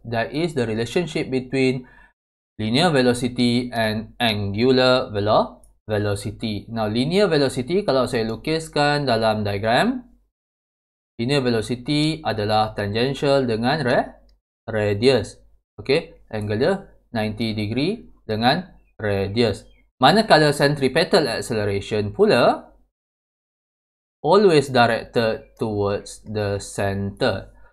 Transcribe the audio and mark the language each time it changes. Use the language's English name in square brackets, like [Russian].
[English] That is the relationship between linear velocity and angular velocity. [Malay] Now, linear velocity, kalau saya lukiskan dalam diagram, linear velocity adalah tangential dengan radius. Okay, angle dia 90 degree dengan radius. [English] Manakala centripetal acceleration pula, always directed towards the center.